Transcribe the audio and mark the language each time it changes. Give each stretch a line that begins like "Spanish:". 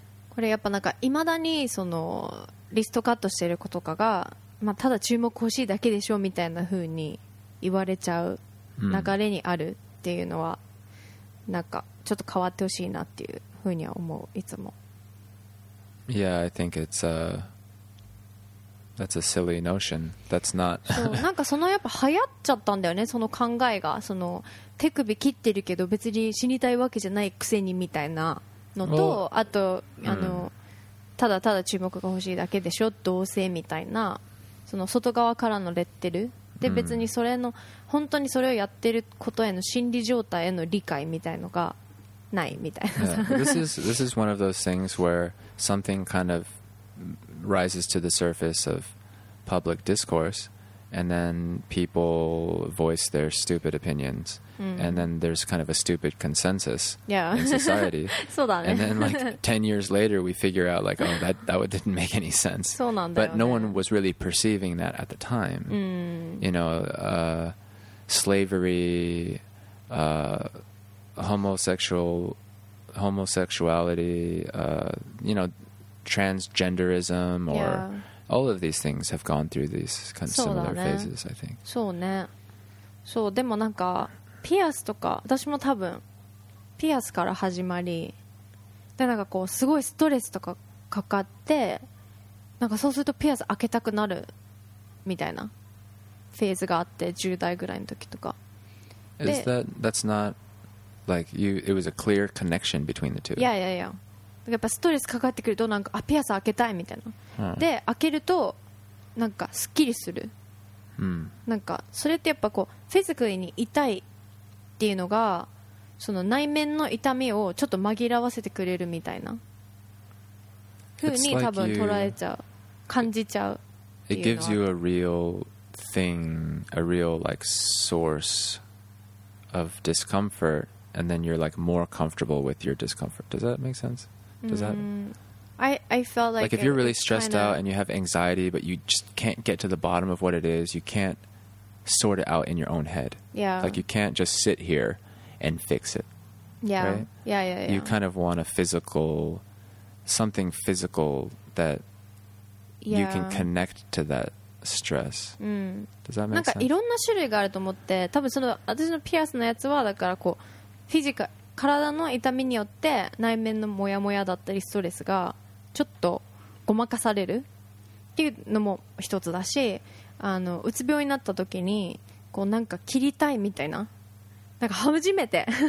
Japanese: これやっぱなんか未だにそのリストカットしている子とかが、まあ、ただ注目欲しいだけでしょうみたいな風に言われちゃう流れにあるっていうのは、うん、なんかちょっと変わってほしいなっていうふうには思ういつも。
English: Yeah, I think it's a that's a silly notion. That's not.
Japanese: そうなんかそのやっぱ流行っちゃったんだよねその考えがその手首切ってるけど別に死にたいわけじゃないくせにみたいなのと、well, あとあの、ただただ注目が欲しいだけでしょどうせみたいなその外側からのレッテル。で別にそれの、本当にそれをやってることへの心理状態への理解みたいのがないみたいな。
English: Yeah. This is one of those things where something kind of rises to the surface of public discourse and then people voice their stupid opinions、and then there's kind of a stupid consensus、in society.
Japanese: そうだね。
English: And then like 10 years later we figure out like, oh, that didn't make any sense.
Japanese: そうなんだよね。
English: But no one was really perceiving that at the time.、You know, slavery, homosexuality, you know, transgenderism or...、All of these things have gone through these kind of similar phases, I think.
Japanese: そうね。そう、でもなんか、ピアスとか、私も多分、ピアスから始まり、で、なんかこう、すごいストレスとかかかって、なんかそうするとピアス開けたくなるみたいなフェーズがあって、10代ぐらいの時とか。
English: Is that, that's not, like, you, it was a clear connection between the two? Yeah, yeah, yeah.
Japanese: やっぱストレスかかってくるとなんかあピアス開けたいみたいな、で開けるとなんかすっきりする、なんかそれってやっぱこうフィジカルに痛いっていうのがその内面の痛みをちょっと紛らわせてくれるみたいな風に多分捉えちゃう感じちゃ う, っていうの
English: は It gives you a real thing a real like source of discomfort and then you're like more comfortable with your discomfort Does that make sense? Does that? I felt like if you're really stressed out and you have anxiety, but you just can't get to the bottom of what it is, you can't sort it out in your own head. Yeah. Like, you can't just sit here and fix it. Yeah. Right? Yeah, yeah, yeah. You kind of want a physical, something physical that you can connect to that stress. Does that make
Japanese: なんかいろんな種類があると思って、多分その私のピアスのやつはだからこう、フィジカ、体の痛みによって内面のモヤモヤだったりストレスがちょっとごまかされるっていうのも一つだし、あのうつ病になった時にこうなんか切りたいみたいな、なんか初めて、